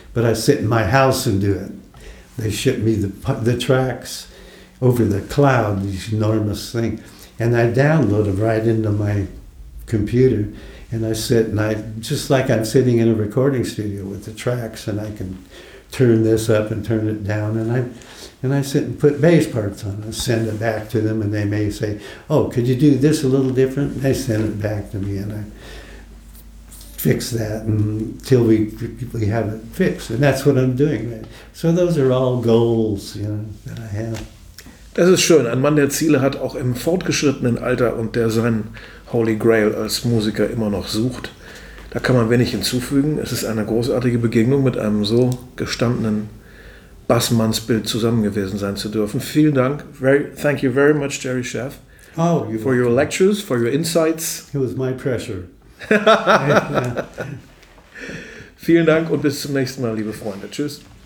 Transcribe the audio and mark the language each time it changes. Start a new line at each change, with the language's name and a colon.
English: But I sit in my house and do it. They ship me the tracks over the cloud, these enormous thing, and I download them right into my computer, and I sit and I just like I'm sitting in a recording studio with the tracks, and I can turn this up and turn it down, and I sit and put bass parts on and send it back to them, and they may say, oh, could you do this a little different? And they send it back to me, and I fix that until we have it fixed. And that's what I'm doing. So those are all goals, you know, that I have.
German: Das ist schön. Ein Mann, der Ziele hat, auch im fortgeschrittenen Alter und der seinen Holy Grail als Musiker immer noch sucht. Da kann man wenig hinzufügen. Es ist eine großartige Begegnung, mit einem so gestandenen Bassmannsbild zusammen gewesen sein zu dürfen. Vielen Dank.
English: Thank you very much, Jerry Schaff. Oh, for your lectures, for your insights. It was my pressure.
German: Vielen Dank und bis zum nächsten Mal, liebe Freunde. Tschüss.